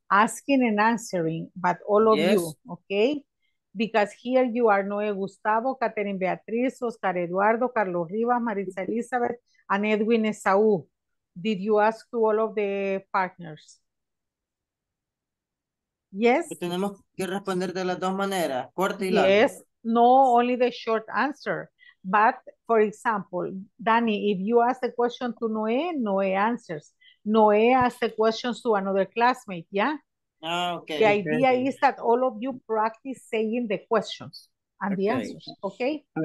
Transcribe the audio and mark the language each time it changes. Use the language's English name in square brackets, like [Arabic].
[English] asking and answering, but all of you, okay? Because here you are Noe Gustavo, Catherine Beatriz, Oscar Eduardo, Carlos Rivas, Maritza Elizabeth, and Edwin Esau. Did you ask to all of the partners? Yes? [Spanish] Tenemos que responder de las dos maneras, corta y larga. [English] Yes, no, only the short answer. But, for example, Danny, if you ask a question to Noé, Noé answers. Noé asks the questions to another classmate, yeah? Okay. The idea is that all of you practice saying the questions and the answers, okay?